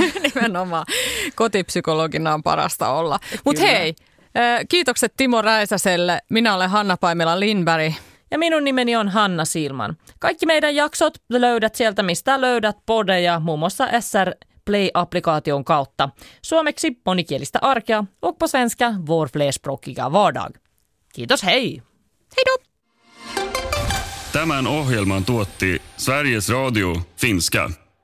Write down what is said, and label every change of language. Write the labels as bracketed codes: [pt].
[fi] Nimenomaan, kotipsykologina on parasta olla. Mutta hei, kiitokset Timo Räisäselle. Minä olen Hanna Paimela Lindberg. Ja minun nimeni on Hanna Siilman. Kaikki meidän jaksot löydät sieltä, mistä löydät podeja, muun muassa SR Play-applikaation kautta. Suomeksi monikielistä arkea, [sv] och på svenska vår flerspråkiga vardag. [fi] Kiitos, hei! [sv] Hej då! [fi] Tämän ohjelman tuotti Sveriges Radio Finska.